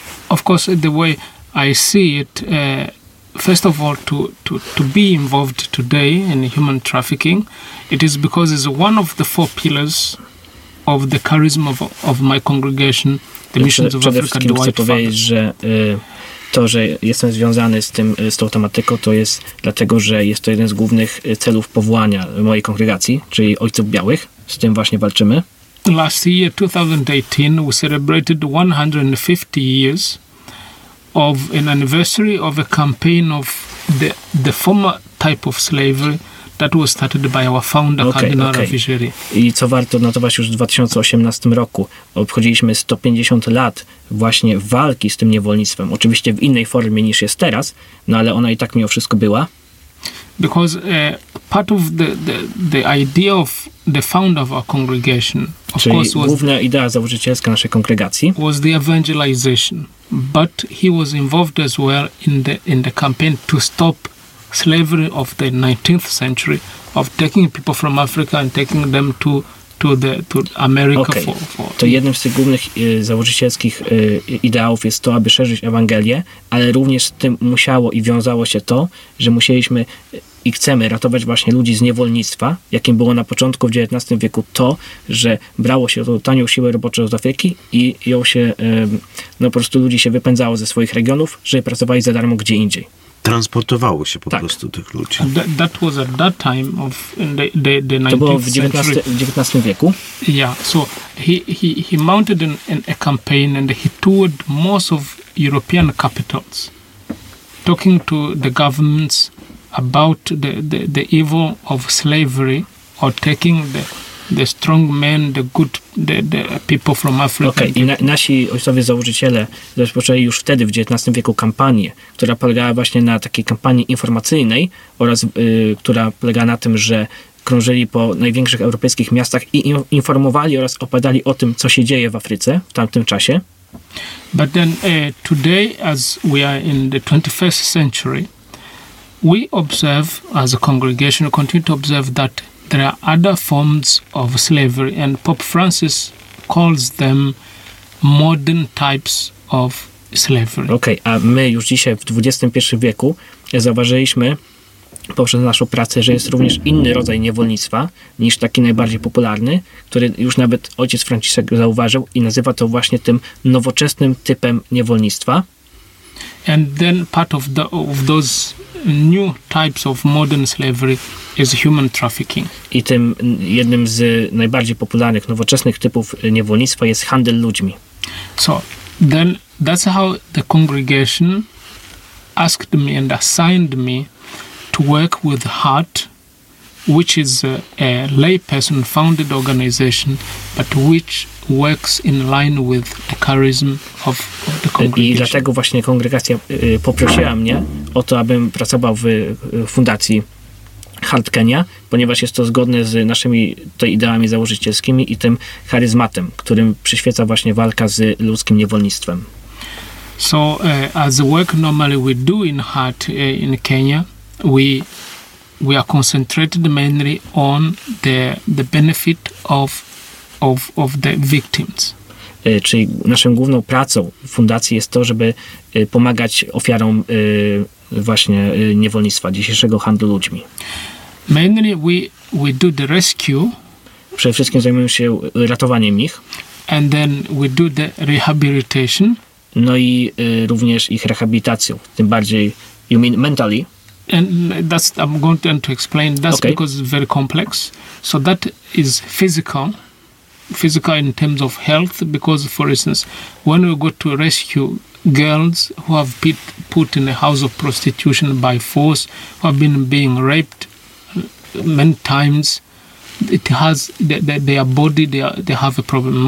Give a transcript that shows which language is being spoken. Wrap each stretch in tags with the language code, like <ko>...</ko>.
<en>Of course, the way I see it, first of all, to be involved today in human trafficking, it is because it's one of the four pillars of the charism of my congregation, the Missions of Africa, the White Fathers.</en> <pl>To, że jestem związany z tą tematyką, to jest dlatego, że jest to jeden z głównych celów powołania mojej kongregacji, czyli Ojców Białych. Z tym właśnie walczymy.</pl> <en>Last year, 2018, we celebrated 150 years of an anniversary of a campaign of the former type of slavery that was started by our founder, Cardinal Ravigeri.</en> <pl>I co warto notować, już w 2018 roku obchodziliśmy 150 lat właśnie walki z tym niewolnictwem. Oczywiście w innej formie niż jest teraz, no ale ona i tak mimo wszystko była.</pl> <en>Because part of the idea of the founder of our congregation, of</en> <pl>czyli</pl> <en>course, was</en> <pl>główna idea założycielska naszej kongregacji,</pl> <en>was the evangelization, but he was involved as well in the campaign to stop slavery of the 19th century, of taking people from Africa and taking them to America. Okay.</en> <pl>To jednym z tych głównych założycielskich ideałów jest to, aby szerzyć Ewangelię, ale również z tym musiało i wiązało się to, że musieliśmy i chcemy ratować właśnie ludzi z niewolnictwa, jakim było na początku w XIX wieku to, że brało się tą tanią siłę roboczą z Afryki i ją się, no po prostu ludzi się wypędzało ze swoich regionów, żeby pracowali za darmo gdzie indziej. Transportowało się po prostu tych ludzi.</pl> <en>That was at that time of the</en> <pl>19th wieku.</pl> <en>Yeah, so he mounted a campaign and he toured most of European capitals, talking to the governments about the evil of slavery or taking the strong men, the good the people from Africa. Okay.</en> <pl>I nasi ojcowie założyciele rozpoczęli już wtedy w XIX wieku kampanię, która polegała właśnie na takiej kampanii informacyjnej oraz która polega na tym, że krążyli po największych europejskich miastach i informowali oraz opowiadali o tym, co się dzieje w Afryce w tamtym czasie.</pl> <en>But then today, as we are in the 21st century, we observe as a congregation, we continue to observe that there are other forms of slavery, and Pope Francis calls them modern types of slavery.</en> <pl>Okay, a my już dzisiaj w XXI wieku zauważyliśmy, poprzez naszą pracę, że jest również inny rodzaj niewolnictwa niż taki najbardziej popularny, który już nawet ojciec Franciszek zauważył i nazywa to właśnie tym nowoczesnym typem niewolnictwa.</pl> <en>And then part of the of those new types of modern slavery is human trafficking.</en> <pl>I tym jednym z najbardziej popularnych nowoczesnych typów niewolnictwa jest handel ludźmi.</pl> <en>So then that's how the congregation asked me and assigned me to work with HART, which is a layperson founded organization, but which works in line with the charism of the congregation.</en> <pl>I dlatego właśnie kongregacja poprosiła mnie o to, abym pracował w fundacji HART Kenya, ponieważ jest to zgodne z naszymi ideami założycielskimi i tym charyzmatem, którym przyświeca właśnie walka z ludzkim niewolnictwem.</pl> <en>So as the work normally we do in HART in Kenya, we are concentrated mainly on the benefit of the victims.</en> <pl>Czyli naszą główną pracą w fundacji jest to, żeby pomagać ofiarom właśnie niewolnictwa, dzisiejszego handlu ludźmi.</pl> <en>Mainly we do the rescue.</en> <pl>Przede wszystkim zajmujemy się ratowaniem ich.</pl> <en>And then we do the rehabilitation.</en> <pl>No i również ich rehabilitacją, tym bardziej</pl> <en>you mean mentally. And that's I'm going to explain. That's okay. Because it's very complex. So that is physical in terms of health, because for instance, when we go to rescue girls who have been put in a house of prostitution by force, who have been being raped many times, it has their body, they have a problem.</en>